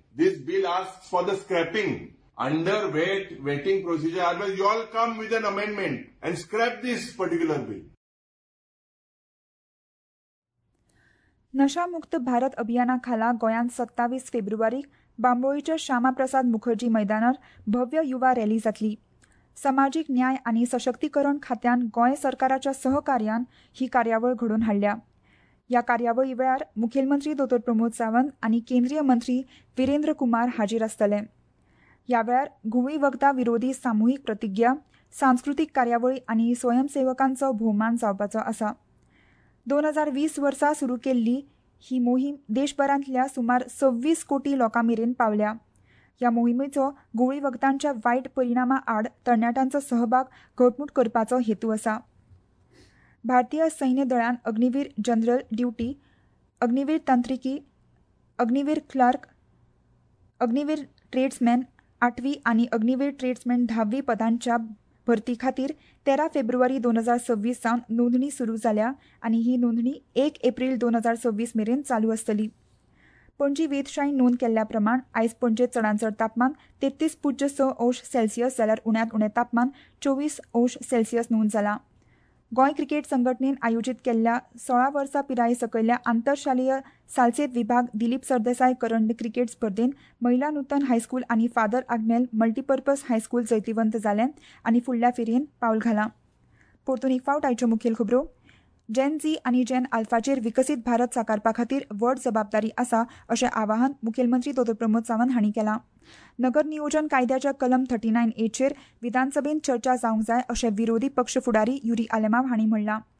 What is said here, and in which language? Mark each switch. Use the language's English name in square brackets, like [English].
[English] This bill ask for the scrapping under waiting procedure. Otherwise you all come with an amendment and scrap this particular bill. [Goan Konkani] नशामुक्त भारत अभियानाखाला गोयात 27 फेब्रुवारीक बांबोळीच्या श्यामाप्रसाद मुखर्जी मैदानार भव्य युवा rally जातली. सामाजिक न्याय आणि सशक्तीकरण खात्यान गोय सरकारच्या सहकार्यान ही कार्यावळ घडून हाडल्या. या कार्यावळी वेळार मुखेलमंत्री दोतोर प्रमोद सावंत आणि केंद्रीय मंत्री वीरेंद्र कुमार हाजीर असतले. या वेळार घुवळी वखदा विरोधी सामूहिक प्रतिज्ञा, सांस्कृतिक कार्यावळी आणि स्वयंसेवकांचो भोवमान जावपाचो असा. 2020 वर्सा सुरू केल्ली ही मोहीम देशभरांतल्या सुमार 26 कोटी लोकां मेरेन पावल्या. ह्या मोहिमेचो घुवळी वखदांच्या वायट परिणामा आड तरणाट्यांचो सहभाग घटमूट करपाचो हेतू आसा. भारतीय सैन्य दळान Agniveer general duty, Agniveer तांत्रिकी, Agniveer clerk, Agniveer ट्रेड्समॅन 8वी आणि अग्निवीर ट्रेड्समॅन 10वी पदांच्या भरती खातीर 13 फेब्रुवारी 2026 सावन नोंदणी सुरू झाल्या आणि ही नोंदणी 1 एप्रील 2026 मेरेन चालू असतली. पणजी वेधशाळेन नोंद केल्ल्या प्रमाण आयज पणजे चडांचड तापमान 33.6° सेल्सियस जाल्यार उण्यात उणें तापमान 24° सेल्सियस नोंद जाला. गोय क्रिकेट संघटनेन आयोजित केल्ल्या 16 वर्सां पिराये सकयल्ल्या आंतरशालीय सालसेत विभाग दिलीप सरदेसाय करंडक क्रिकेट स्पर्धेन महिला नूतन हायस्कूल आनी फादर आग्नेल मल्टीपर्पज हायस्कूल जैतिवंत जाले आनी फुडल्या फेरयेन पावल घाला. परतून एक फावट आयच्यो मुखेल खबरो. जेन जी आनी जेन आल्फाचेर विकसीत भारत साकारपा खातीर व्हड जबाबदारी आसा अशें आवाहन मुखेलमंत्री दोतोर प्रमोद सावंत हांणी केलां. नगर नियोजन कायद्याच्या कलम 39A विधानसभेन चर्चा जावंक जाय अशें विरोधी पक्ष फुडारी युरी आलेमांव हांणी म्हणलां.